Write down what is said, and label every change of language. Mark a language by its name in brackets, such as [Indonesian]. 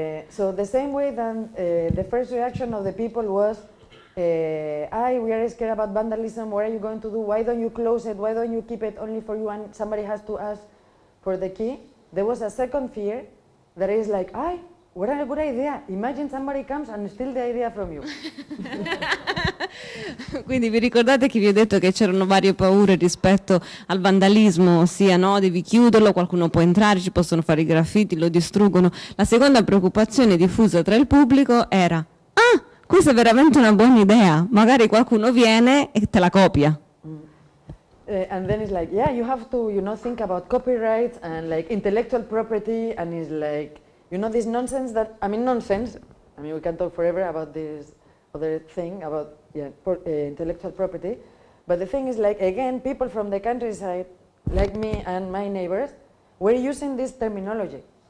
[English] So the same way that the first reaction of the people was we are scared about vandalism, what are you going to do, why don't you close it, why don't you keep it only for you and somebody has to ask for the key. There was a second fear that is like, ay, what a good idea, imagine somebody comes and steal the idea from you. [Italian] Quindi vi ricordate che vi ho detto che c'erano varie paure rispetto al vandalismo, ossia no, devi chiuderlo, qualcuno può entrare, ci possono fare i graffiti, lo distruggono. La seconda preoccupazione diffusa tra il pubblico era, ah, questa è veramente una buona idea, magari qualcuno viene e te la copia. [English] And then it's like, yeah, you have to, you know, think about copyright and like intellectual property and it's like, you know, this nonsense that, I mean, nonsense, I mean, we can talk forever about this other thing, about intellectual property, but the thing is like, again, people from the countryside, like me and my neighbors, were using this terminology.